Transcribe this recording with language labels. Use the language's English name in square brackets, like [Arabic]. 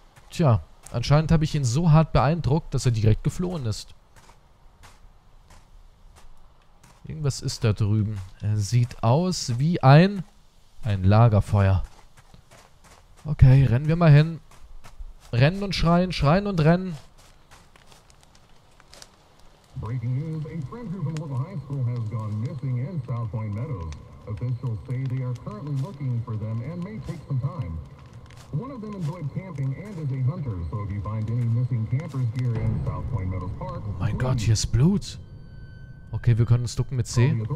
[German] Tja, anscheinend habe ich ihn so hart beeindruckt, dass er direkt geflohen ist. Irgendwas ist da drüben. Er sieht aus wie ein Lagerfeuer. Okay, rennen wir mal hin. Rennen und schreien, schreien und rennen. [English] Breaking news, a friend from Old High School has gone missing in South Point Meadows. Officials say they are currently looking for them and may take some time. One of them enjoyed camping and is a hunter, so if you find any missing campers gear in South Point Meadows Park... [German] Oh mein Gott, hier ist Blut! Okay, wir können uns ducken mit C.